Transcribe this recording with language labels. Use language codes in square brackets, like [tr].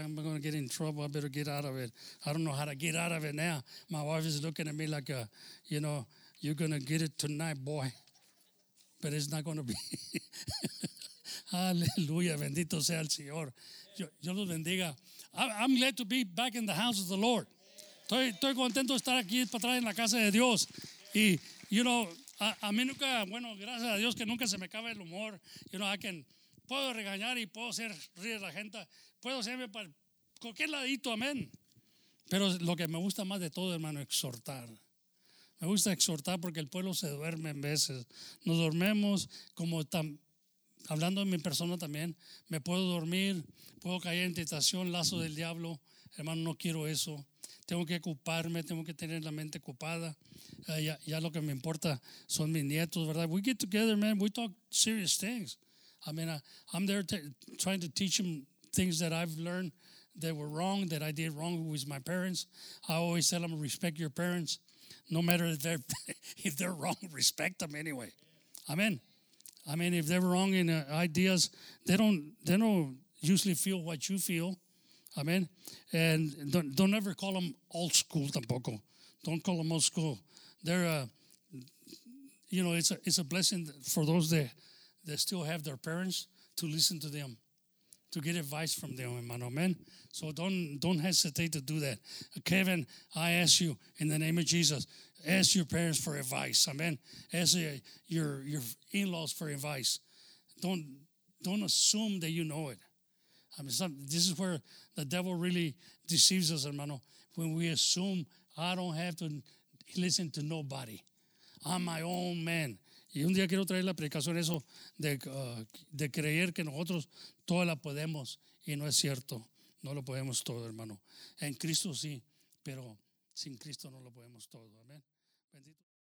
[en] I'm going to get in trouble. I better get out of it. I don't know how to get out of it now. My wife is looking at me like, you know, you're going to get it tonight, boy. But it's not going to be. Hallelujah. [es] Bendito sea el Señor. Yo los bendiga. [en] I'm glad to be back in the house of the Lord. [es] Estoy contento de estar aquí para atrás en la casa de Dios. Y, [en] you know, [es] a mí nunca, bueno, gracias a Dios que nunca se me acaba el humor. [en] You know, I can, [es] puedo regañar y puedo hacer rir a la gente. Puedo hacerme para cualquier ladito, amén. Pero lo que me gusta más de todo, hermano, exhortar. Me gusta exhortar porque el pueblo se duerme en veces. Nos dormemos como tan, hablando de mi persona también. Me puedo dormir, puedo caer en tentación, lazo del diablo. Hermano, no quiero eso. Tengo que ocuparme, tengo que tener la mente ocupada. Ya lo que me importa son mis nietos, ¿verdad? [en] We get together, man. We talk serious things. I mean, I'm there trying to teach them things that I've learned that were wrong, that I did wrong with my parents. I always tell them, respect your parents. No matter if they're wrong, respect them anyway. Amen. I mean, if they're wrong in ideas, they don't usually feel what you feel. Amen. And don't ever call them old school tampoco. Don't call them old school. They're, you know, it's a blessing for those that still have their parents to listen to them, to get advice from them, hermano. Amen. So don't hesitate to do that. Kevin, I ask you in the name of Jesus, ask your parents for advice. Amen. Ask your in-laws for advice. Don't assume that you know it. I mean, this is where the devil really deceives us, hermano, when we assume I don't have to listen to nobody. I'm my own man. [es] Y un día quiero traer la predicación eso de creer que nosotros todo la podemos y no es cierto. No lo podemos todo, hermano. En Cristo sí, pero sin Cristo no lo podemos todo. Amén. Bendito.